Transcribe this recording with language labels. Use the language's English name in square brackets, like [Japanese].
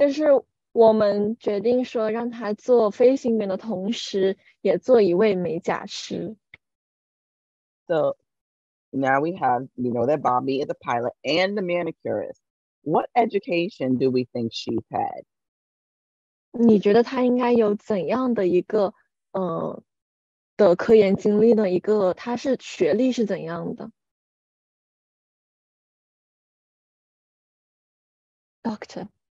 [Chinese] 就是我们决定说让他做飞行员的同时也做一位美甲师。 [English] So now we have, you know, that Bobby is a pilot and a manicurist. What education do we think she's had? [Chinese] 你觉得他应该有怎样的一个的科研经历的一个他是学历是怎样的 Doctor